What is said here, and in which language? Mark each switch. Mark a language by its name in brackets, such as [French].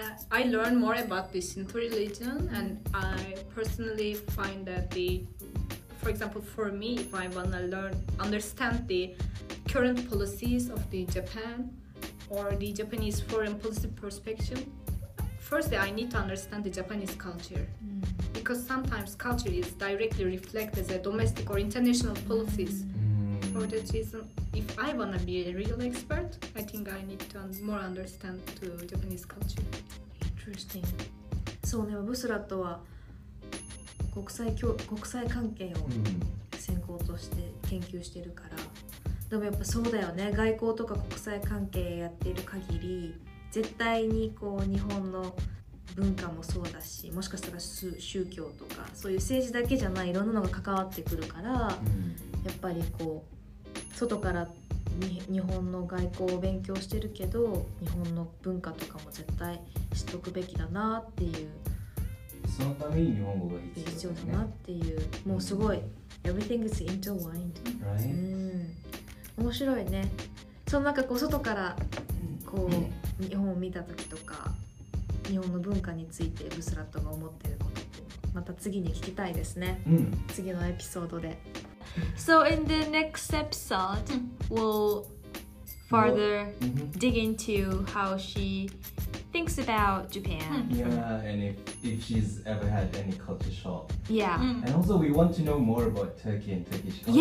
[English] I learned more about the Shinto religion, and I personally find that the, for example, for me, if I want to understand the current policies of the Japan or the Japanese foreign policy perspective, firstly, I need to understand the Japanese culture. Because sometimes culture is directly reflected as a domestic or international policies. For that reason, if I want to be a real expert, I think I need to more understand the Japanese culture. [Japanese] そうね、ブスラットは国際関係を専攻として研究してるから、でもやっぱそうだよね、外交とか国際関係やってる限り絶対にこう日本の文化もそうだし、もしかしたら宗教とかそういう政治だけじゃないいろんなのが関わってくるから、やっぱりこう外からに日本の外交を勉強してるけど、日本の文化とかも絶対知っとくべきだなっていう、そのために日本語が必要だなっていう、もうすごい [English] Everything is intertwined、 right? [Japanese] 面白いね。そのなんかこう外からこう日本を見た時とか、日本の文化についてブスラットが思ってることってまた次に聞きたいですね、次のエピソードで。 [English] So in the next episode, we'll further dig into how she thinks about Japan. Yeah, and if she's ever had any culture shock. Yeah. And also we want to know more about Turkey and Turkish culture.